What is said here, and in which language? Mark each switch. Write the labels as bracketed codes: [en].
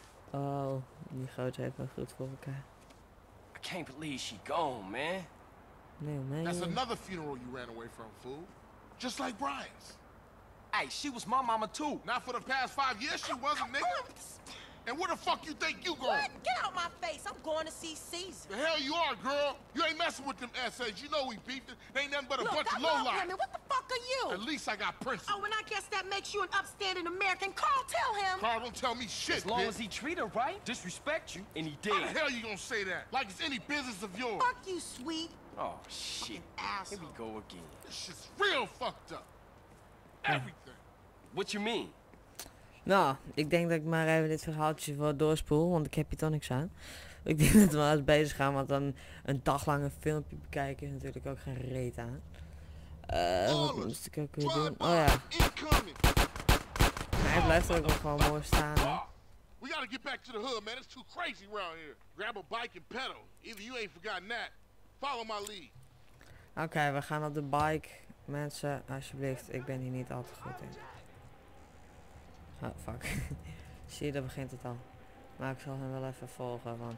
[nl] Oh, die grote heeft wel goed voor elkaar. [en] I can't believe she gone, man. No, man. That's another funeral you ran away from, fool. Just like Brian's. Hey, she was my mama, too. Not for the past 5 years she wasn't, nigga. And where the fuck you think you going? What? Get out my face. I'm going to see Caesar. The hell you are, girl. You ain't messing with them essays. You know we beefed it. They ain't nothing but a Look, bunch of lowlife. Look, what the fuck are you? At least I got Prince. Oh, and I guess that makes you an upstanding American. Carl, tell him. Carl, don't tell me shit, As long bitch. As he treat her right, disrespect you, and he did. How the hell you gonna say that? Like it's any business of yours. Fuck you, sweet. Oh, shit. Fucking asshole. Here we go again. This shit's real fucked up. Everything. What you mean? [nl] Nou, ik denk dat ik maar even dit verhaaltje voor doorspoel, want ik heb hier toch niks aan. Ik denk dat we maar eens bezig gaan, want dan een dag lang een filmpje bekijken is natuurlijk ook geen reet aan. Wat moest ik ook weer doen? Oh ja. Hij blijft er ook nog gewoon mooi staan. Hè. [en] We gotta get back to the hood, man. It's too crazy around here. Grab a bike and pedal. Either you ain't forgotten that. Follow my lead. [nl] Oké, we gaan op de bike. Mensen, alsjeblieft, ik ben hier niet al te goed in. Oh, fuck. Zie je, daar begint het al. Maar ik zal hem wel even volgen, want